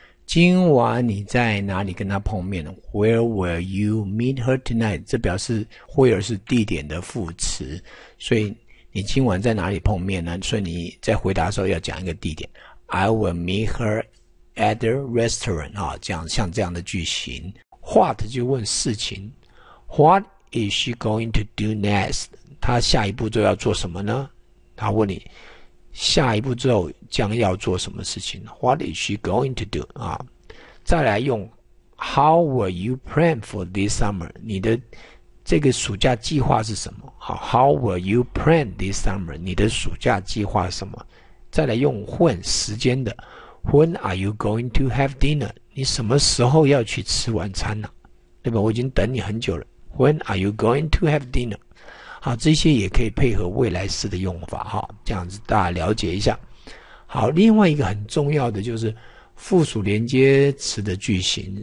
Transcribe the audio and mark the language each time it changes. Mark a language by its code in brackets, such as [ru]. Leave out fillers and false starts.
[zh] 今晚你在哪里跟她碰面 ？ [en] Where will you meet her tonight？ [zh] 这表示 where 是地点的副词，所以你今晚在哪里碰面呢？所以你在回答的时候要讲一个地点。 [en] I will meet her at the restaurant [zh] 啊，这样像这样的句型。 [en] What [zh] 就问事情 [en] ，What is she going to do next？ [zh] 她下一步就要做什么呢？她问你。下一步之后将要做什么事情 ？ [en] What is she going to do？ [zh] 啊，再来用 [en] How will you plan for this summer？ [zh] 你的这个暑假计划是什么？好 ， [en] How will you plan this summer？ [zh] 你的暑假计划是什么？再来用 [en] When [zh] 时间的 [en] When are you going to have dinner？ [zh] 你什么时候要去吃晚餐呢？对吧？我已经等你很久了。 [en] When are you going to have dinner？ [zh] 好，这些也可以配合未来式的用法，这样子大家了解一下。好，另外一个很重要的就是附属连接词的句型。